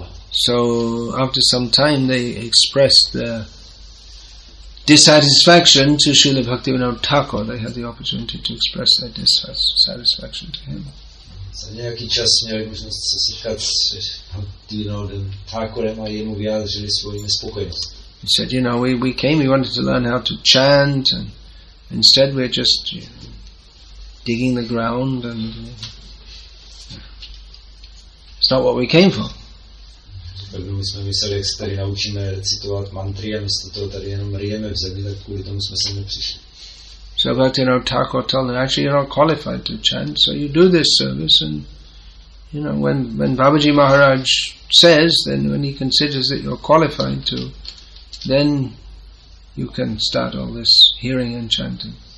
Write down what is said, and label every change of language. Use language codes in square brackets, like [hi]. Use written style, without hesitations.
[en] So after some time they expressed their dissatisfaction to Srila Bhaktivinoda Thakur. They had the opportunity to express their dissatisfaction to him. [cs] Za nějaký čas měli možnost se setkat s Bhaktivinodem Thakurem a jemu vyjádřili svoji nespokojenost. [en] He said, you know, we came, we wanted to learn how to chant, and instead we're just, you know, digging the ground, and it's not what we came for. So Bhaktivinoda Thakur told them, actually you're not qualified to chant, so you do this service, and you know, when Babaji Maharaj says, then when he considers that you're qualified to, then you can start all this hearing and chanting.